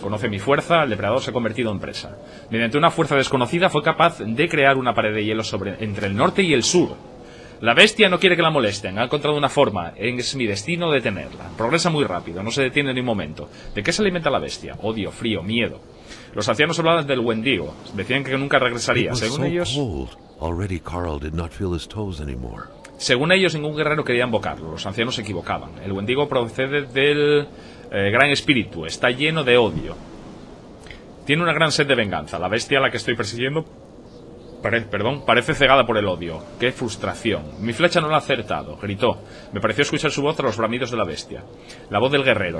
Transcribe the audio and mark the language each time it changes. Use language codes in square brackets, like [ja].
[es] Conoce mi fuerza, el depredador se ha convertido en presa. Mediante una fuerza desconocida fue capaz de crear una pared de hielo entre el norte y el sur. La bestia no quiere que la molesten, ha encontrado una forma, es mi destino detenerla. Progresa muy rápido, no se detiene ni un momento. ¿De qué se alimenta la bestia? Odio, frío, miedo. Los ancianos hablaban del Wendigo, decían que nunca regresaría. Según ellos... [en] Already Carl did not feel his toes anymore. [es] Según ellos, ningún guerrero quería invocarlo. Los ancianos se equivocaban. El Wendigo procede del Gran Espíritu. Está lleno de odio. Tiene una gran sed de venganza. La bestia a la que estoy persiguiendo parece cegada por el odio. ¡Qué frustración! Mi flecha no la ha acertado, gritó. Me pareció escuchar su voz tras los bramidos de la bestia. La voz del guerrero.